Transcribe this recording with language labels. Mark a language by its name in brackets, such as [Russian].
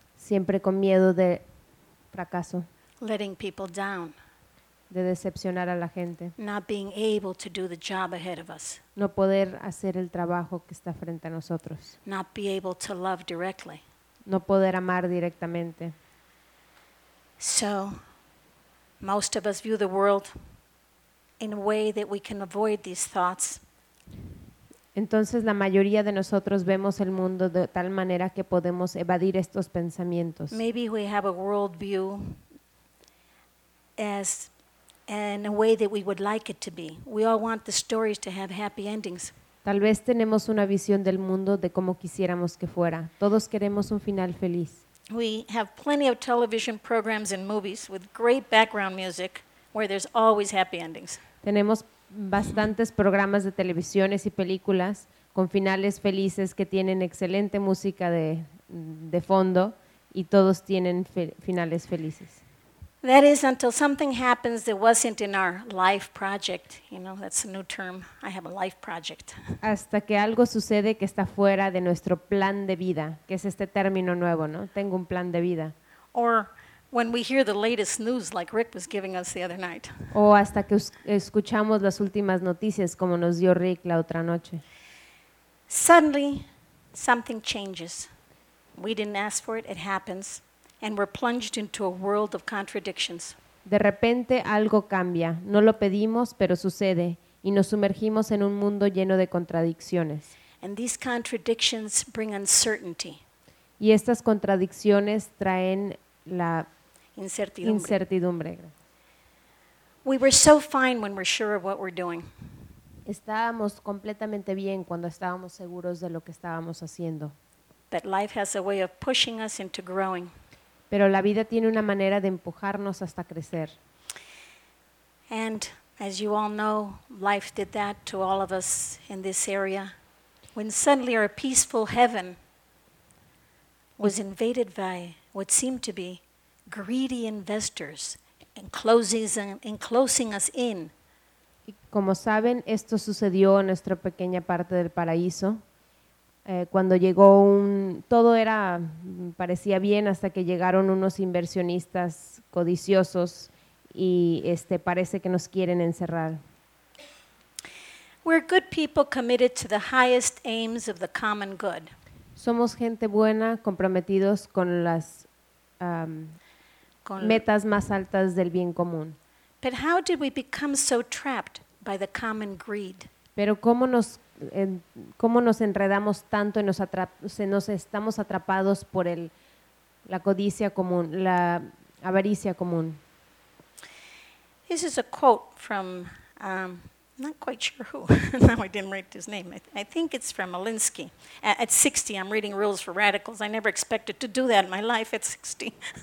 [Spanish] Siempre con miedo de fracaso. [English] Letting people down. [Spanish] De decepcionar a la gente. [English] Not being able to do the job ahead of us. [Spanish] No poder hacer el trabajo que está frente a nosotros. [English] Not be able to love directly. [Spanish] No poder amar directamente. [English] So, most of us view the world in a way that we can avoid these thoughts. [Spanish] Entonces, la mayoría de nosotros vemos el mundo de tal manera que podemos evadir estos pensamientos. [English] Maybe we have a world view as in a way that we would like it to be. We all want the stories to have happy endings. [Spanish] Tal vez tenemos una visión del mundo de cómo quisiéramos que fuera. Todos queremos un final feliz. [English] We have plenty of television programs and movies with great background music where there's always happy endings. [Spanish] Tenemos bastantes programas de televisiones y películas con finales felices que tienen excelente música de fondo y todos tienen finales felices. [English] That is until something happens that wasn't in our life project. You know, that's a new term. I have a life project. [Spanish] Hasta que algo sucede que está fuera de nuestro plan de vida, que es este término nuevo, ¿no? Tengo un plan de vida. [English] Or when we hear the latest news, like Rick was giving us the other night. [Spanish] O hasta que escuchamos las últimas noticias, como nos dio Rick la otra noche. [English] Suddenly, something changes. We didn't ask for it. It happens. And we're plunged into a world of contradictions. [Spanish] De repente algo cambia. No lo pedimos, pero sucede. y nos sumergimos en un mundo lleno de contradicciones. [English] And these contradictions bring uncertainty. [Spanish] Y estas contradicciones traen la incertidumbre. [English] We were so fine when we're sure of what we're doing. [Spanish] Estábamos completamente bien cuando estábamos seguros de lo que estábamos haciendo. [English] But life has a way of pushing us into growing. [Spanish] Pero la vida tiene una manera de empujarnos hasta crecer. [English] And as you all know, life did that to all of us in this area. When suddenly our peaceful heaven was invaded by what seemed to be greedy investors enclosing us in. [Spanish] Como saben, esto sucedió en nuestra pequeña parte del paraíso. Cuando llegó todo era parecía bien hasta que llegaron unos inversionistas codiciosos y parece que nos quieren encerrar. [English] We're good people committed to the highest aims of the common good. [Spanish] Somos gente buena comprometidos con las metas más altas del bien común. [English] But how did we become so trapped by the common greed? [Spanish] Pero cómo nos enredamos tanto y nos estamos atrapados por la codicia común, la avaricia común. [English] This is a quote from not quite sure who. Now I didn't write his name. I think it's from Alinsky. At 60, I'm reading Rules for Radicals. I never expected to do that in my life at 60.